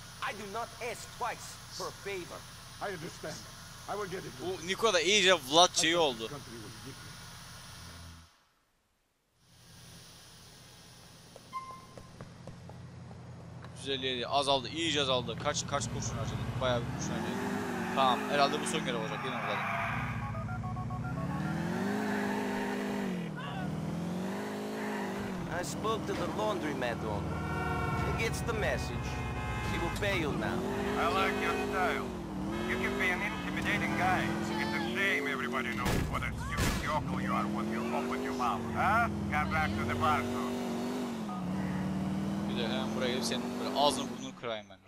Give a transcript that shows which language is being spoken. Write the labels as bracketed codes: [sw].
[en] I do not ask twice for a favor. I understand. I will get it. [tr] Bu Nikola da iyice Vlad şeyi oldu. %57 azaldı, iyice azaldı. Kaç kurşun harcadı? Bayağı bir kurşun harcadı. Tamam, herhalde bu son görev olacak. Yine alalım. [en] I spoke to the laundromat owner. He gets the message. He will pay you now. I like your style. You can be an intimidating guy. It's a shame everybody knows what a stupid yokel you are with your home with your mom. Huh? Get back to the bar soon. [tr] Bir de hemen buraya gelip senin böyle ağzını burnunu kırayım ben.